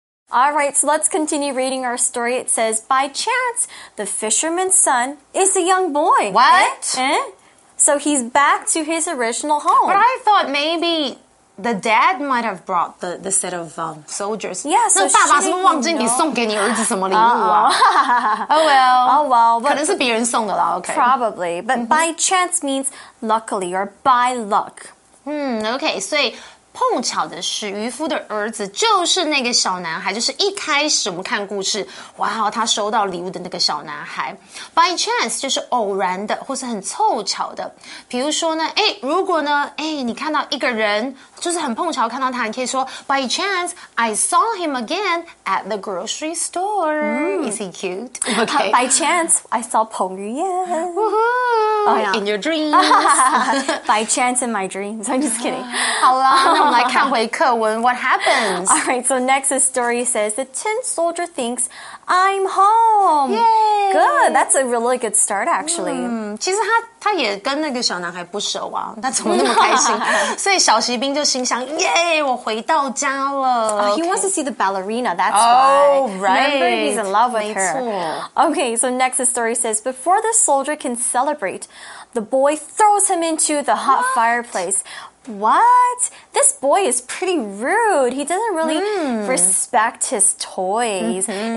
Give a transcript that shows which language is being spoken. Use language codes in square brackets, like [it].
[en] All right, so let's continue reading our story. It says, by chance, the fisherman's son is a young boy. What? So he's back to his original home. But I thought maybe the dad might have brought the set of soldiers. Yes, yeah, so she didn't know. [zh] 那爸爸是不是忘记你送给你儿子什么礼物啊? [en] Oh, well. Oh, well. [zh] 可能是别人送的啦, okay. [en] Probably. But mm-hmm. by chance means luckily or by luck. [zh] Okay, 所以碰巧的是渔夫的儿子就是那个小男孩，就是一开始我们看故事，哇，他收到礼物的那个小男孩。 [en] By chance 就是偶然的或是很凑巧的，比如说呢，诶，如果呢，诶，你看到一个人就是很碰巧看到他，你可以说 By chance I saw him again at the grocery store. Is he cute? Okay. By chance I saw Peng Yuan. Woohoo! In your dreams. By chance in my dreams. I'm just kidding. [zh] 好啦那我们来看回课文 [en] What happens? All right, so next story says the tin soldier thinks I'm home. Yay! Good, that's a really good start, actually. [zh] 其实他也跟那个小男孩不熟啊，他怎么那么开心？所以小骑兵就心想 [en] Yay, [zh] 我回到家了。 [en] He wants to see the ballerina, that's right. Remember, he's in love with her. Okay, so next story says before the soldier can celebrate, the boy throws him into the hot fireplace. What? This boy is pretty rude. He doesn't really respect his toys. Mm-hmm.